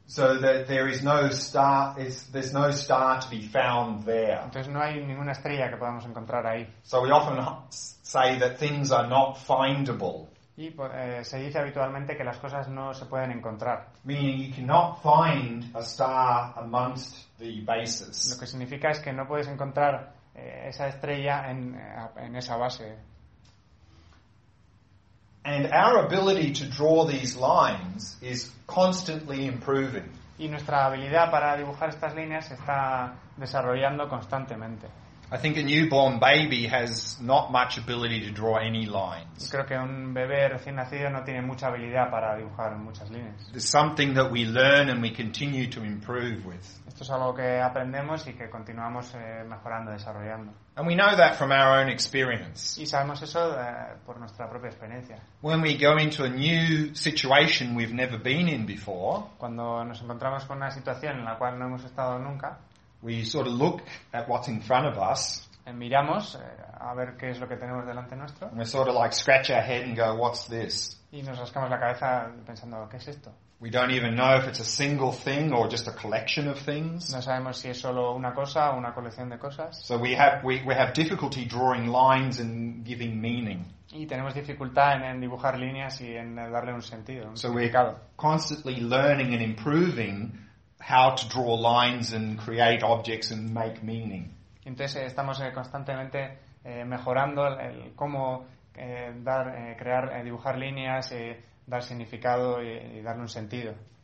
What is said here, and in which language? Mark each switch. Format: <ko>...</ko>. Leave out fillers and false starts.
<en>So that there is no star, there's no star to be found there.</en> <es>Entonces no hay ninguna estrella que podamos encontrar ahí.</es> <en>So we often say that things are not findable.</en> <es>Y se dice habitualmente que las cosas no se pueden encontrar.</es> <en>Meaning you cannot find a star amongst the bases.</en> <es>Lo que significa es que no puedes encontrar esa estrella en esa base.</es> <en>And our ability to draw these lines is constantly improving.</en> <es>Y nuestra habilidad para dibujar estas líneas se está desarrollando constantemente.</es> <en>I think a newborn baby has not much ability to draw any lines.</en> <es>Creo que un bebé recién nacido no tiene mucha habilidad para dibujar muchas líneas.</es> <en>It's something that we learn and we continue to improve with.</en> <es>Esto es algo que aprendemos y que continuamos mejorando, desarrollando.</es> <en>And we know that from our own experience.</en> <es>Y sabemos eso por nuestra propia experiencia.</es> <en>When we go into a new situation we've never been in before,</en> <es>cuando nos encontramos con una situación en la cual no hemos estado nunca,</es> <en>we sort of look at what's in front of us.</en> <es>Miramos a ver qué es lo que tenemos delante nuestro.</es> <en>And we sort of like scratch our head and go, what's this?</en> <es>Y nos rascamos la cabeza pensando, ¿qué es esto?</es> <en>We don't even know if it's a single thing or just a collection of things.</en> <es>No sabemos si es solo una cosa o una colección de cosas.</es> <en>So we have difficulty drawing lines and giving meaning.</en> <es>Y tenemos dificultad en dibujar líneas y en darle un sentido.</es> <en>So we're constantly learning and improving how to draw lines and create objects and make meaning.</en> <es>Entonces estamos constantemente mejorando el cómo dar crear dibujar líneas dar significado y darle un sentido.</es>